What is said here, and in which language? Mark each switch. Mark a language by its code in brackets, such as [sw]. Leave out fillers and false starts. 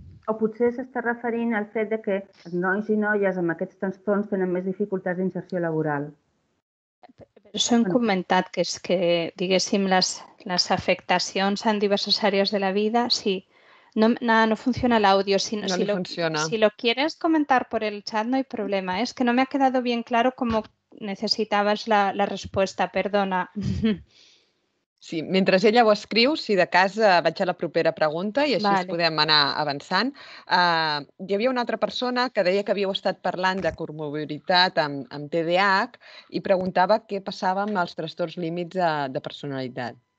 [ca] O potser s'està referint al fet de que els nois i noies amb aquests trastorns tenen més dificultats d'inserció laboral. Per això hem comentat que és que, diguéssim, les afectacions en diverses àrees de la vida, sí. No, no funciona l'àudio. Si, no si li lo, funciona. [es] Si lo quieres comentar por el chat, no hay problema. Es que no me ha quedado bien claro cómo necesitabas la respuesta. [ca] Perdona. Sí, mentre ella ho escriu, si de cas vaig a la propera pregunta i així vale. Podem anar avançant. Hi havia una altra persona que deia que havíeu estat parlant de comorbiditat amb TDAH i preguntava què passava amb els trastorns límits de personalitat.